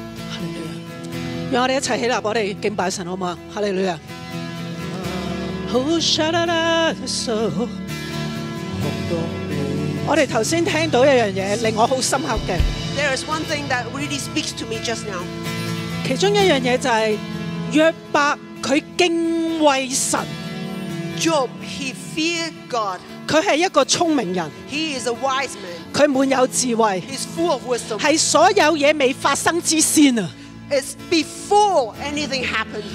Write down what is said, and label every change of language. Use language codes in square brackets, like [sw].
[yue] 哈利路亚！让我哋一齐起立，我哋敬拜神好吗？哈利路亚！我哋头先听到一样嘢，令我好深刻嘅。 [en] There is one thing that really speaks to me just now。 [yue] 其中一样嘢就系约伯佢敬畏神。 [en] Job he feared God。 [yue] 佢系一个聪明人。 [en] He is a wise man。 [yue] 佢满有智慧。 [en] He's full of wisdom。 [yue] 系所有嘢未发生之先啊。 [en] It's before anything happened。